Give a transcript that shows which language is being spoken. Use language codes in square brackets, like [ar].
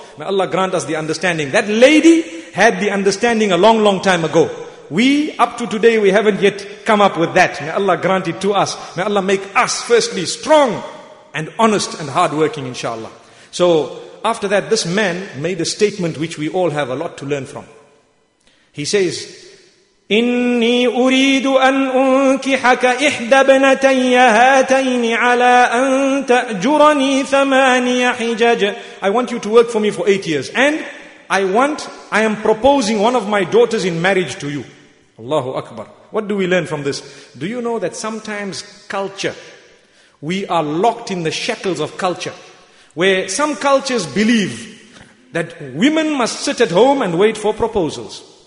[en] May Allah grant us the understanding. That lady had the understanding a long, long time ago. We, up to today, we haven't yet come up with that. May Allah grant it to us. May Allah make us, firstly, strong and honest and hardworking, inshallah. So, after that, this man made a statement which we all have a lot to learn from. He says, [ar] إني أريد أن أنكحك إحدى بنتي هاتين على أن تأجرني ثماني حجج. [en] I want you to work for me for 8 years. And I am proposing one of my daughters in marriage to you. Allahu Akbar. What do we learn from this? Do you know that sometimes culture, we are locked in the shackles of culture, where some cultures believe that women must sit at home and wait for proposals.